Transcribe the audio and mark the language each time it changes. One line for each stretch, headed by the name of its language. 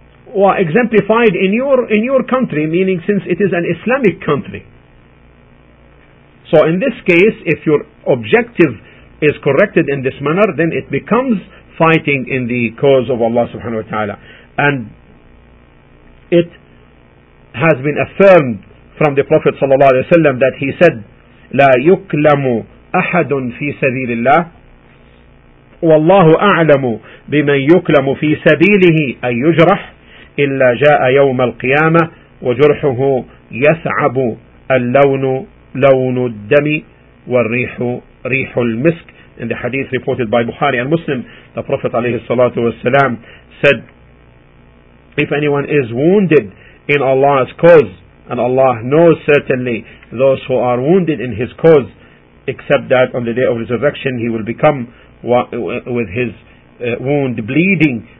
English: Or exemplified in your country, meaning since it is an Islamic country, so in this case if your objective is corrected in this manner, then it becomes fighting in the cause of Allah subhanahu wa ta'ala. And it has been affirmed from the Prophet sallallahu alayhi wa sallam that he said,
Arabic: لا يكلم أحد في سبيل الله والله أعلم بمن يكلم في سبيله أن يجرح إلا جاء يوم القيامة وجرحه يثعب اللون لون الدم والريح ريح المسك.
English: In the hadith reported by Bukhari and Muslim, the Prophet ﷺ said, if anyone is wounded in Allah's cause, and Allah knows certainly those who are wounded in his cause, except that on the day of resurrection he will become with his wound bleeding.